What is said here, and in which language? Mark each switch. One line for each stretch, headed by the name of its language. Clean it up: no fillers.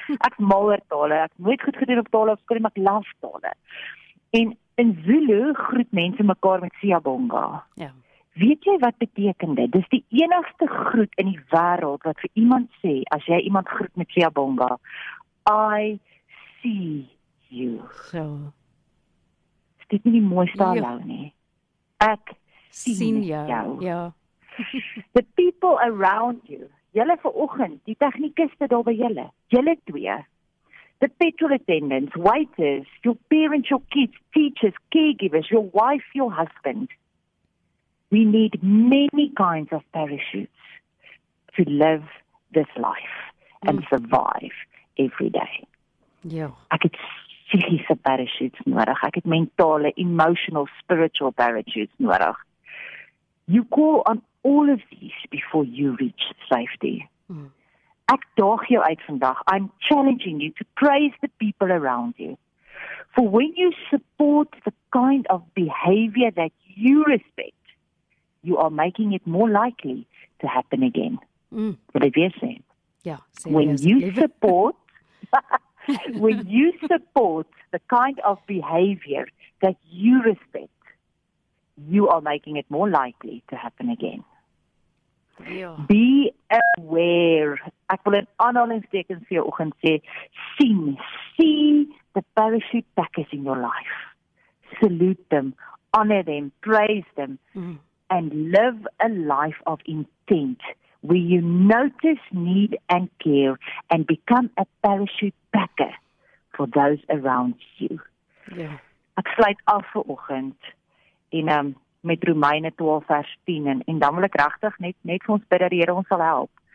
Afrikaans: Ek mal oor tale, ek nooit goed gedoen op tale, ek maak laf tale. En in Zulu groet mense mekaar met Siyabonga. Ja. Weet jy wat beteken dit? Dis die enigste groet in die wêreld wat vir iemand sê, as jy iemand groet met Siyabonga,
English: I see you.
Afrikaans: So. Is dit nie die mooiste alou nie? Ek sien jou. Ja.
English: The people around you,
Afrikaans: jylle vanoggend, die technikiste daar by jylle, jylle twee,
English: the petrol attendants, waiters, your parents, your kids, teachers, caregivers, your wife, your husband. We need many kinds of parachutes to live this life and survive every day. Yeah.
Afrikaans: Ek het psychische parachutes nodig. Ek het mentale,
English: emotional, spiritual
Afrikaans: parachutes nodig.
English: You call on all of these before you reach safety.
Afrikaans: Ek daag jou uit vandag.
English: I'm challenging you to praise the people around you. For when you support the kind of behavior that you respect, you are making it more likely to happen again.
Afrikaans: Wat het weer sê? Ja,
English: when you support, when you support the kind of behavior that you respect, you are making it more likely to happen again.
Afrikaans: Ja.
English: Be aware.
Afrikaans: Ek wil in aanhalingstekens vir jou oggend sê,
English: see the parachute packers in your life. Salute them, honor them, praise them, and live a life of intent where you notice need and care and become a parachute packer for those around you.
Afrikaans: Ja. Ek sluit af vir oggend en met Romeine 12 vers 10 en dan wil ek regtig net vir ons bid dat die Here ons sal help.